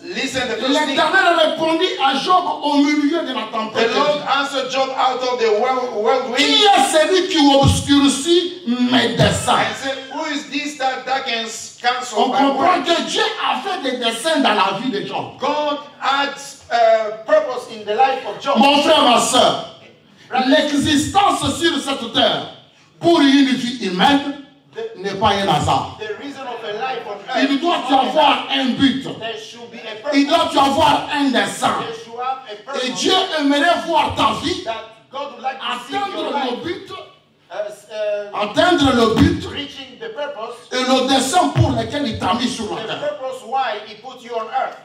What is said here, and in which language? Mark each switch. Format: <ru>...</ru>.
<fr>L'Éternel répondit à Job au milieu de la tempête.</fr> <en>The Lord answered Job out of the whirlwind.</en> <fr>Qui est celui qui obscurcit mes desseins?</fr> <en>I said, who is this that darkens counsel?</en> <fr>On comprend que Dieu a fait des desseins dans la vie de Job.</fr> <en>God had purpose in the life of Job.</en> <fr>Mon frère, ma soeur, l'existence sur cette terre pour une vie humaine n'est pas un hasard. Il doit y avoir un but. Il doit y avoir un dessein. Et Dieu aimerait voir ta vie atteindre le but, atteindre le but et le dessein pour lequel il t'a mis sur la terre.</fr>